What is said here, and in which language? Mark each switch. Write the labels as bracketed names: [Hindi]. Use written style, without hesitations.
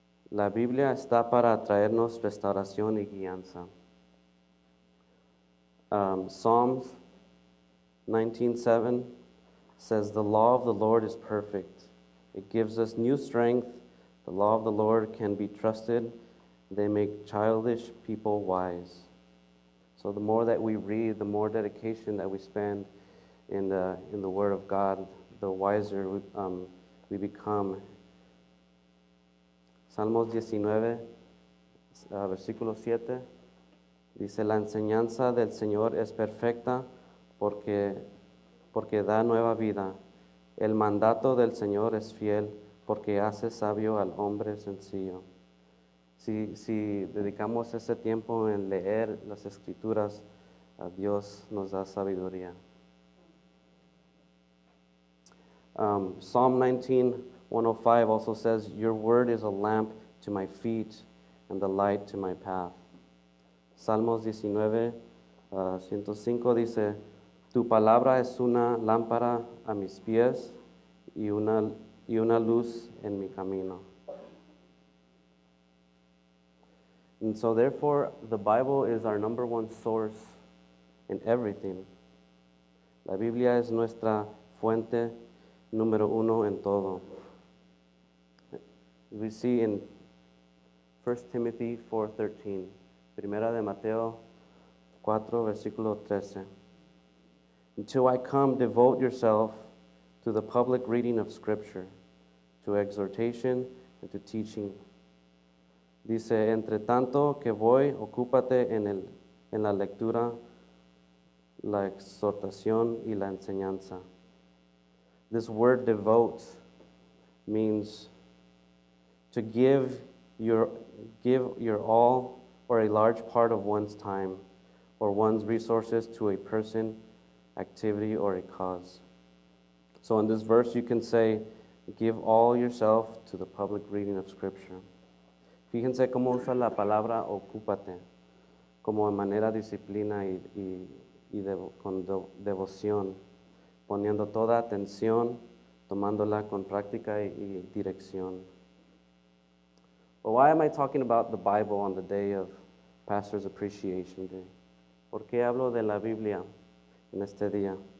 [Spanish] La Biblia está para traernos restauración y guianza. [English] Psalms 19:7 says, "The law of the Lord is perfect. It gives us new strength. The law of the Lord can be trusted. They make childish people wise." So the more that we read, the more dedication that we spend in the Word of God, the wiser we become. [Spanish] Salmos 19, versículo 7, dice, "La enseñanza del Señor es perfecta porque da nueva vida. El mandato del Señor es fiel porque hace sabio al hombre sencillo." Si dedicamos ese tiempo en leer las Escrituras, Dios nos da sabiduría. [English] Psalm 19:105 also says, "Your word is a lamp to my feet and the light to my path." [Spanish] Salmos 19:105 dice, "Tu palabra es una lámpara a mis pies y una luz en mi camino." [English] And so therefore, the Bible is our number one source in everything. [Spanish] La Biblia es nuestra fuente número uno en todo. [English] We see in 1 Timothy 4:13, [Spanish] Primera de Mateo 4, versículo 13. [English] "Until I come, devote yourself to the public reading of Scripture, to exhortation and to teaching." [Spanish] Dice, "Entre tanto que voy, ocúpate en la lectura, la exhortación y la enseñanza." [English] This word devote means to give your all or a large part of one's time or one's resources to a person, activity, or a cause. So in this verse you can say, give all yourself to the public reading of Scripture. [Spanish] Fíjense cómo usa la palabra ocúpate, como de manera disciplina y con devoción, poniendo toda atención, tomándola con práctica y dirección. [English] Well, why am I talking about the Bible on the day of Pastor's Appreciation Day? [Spanish] ¿Por qué hablo de la Biblia en este día?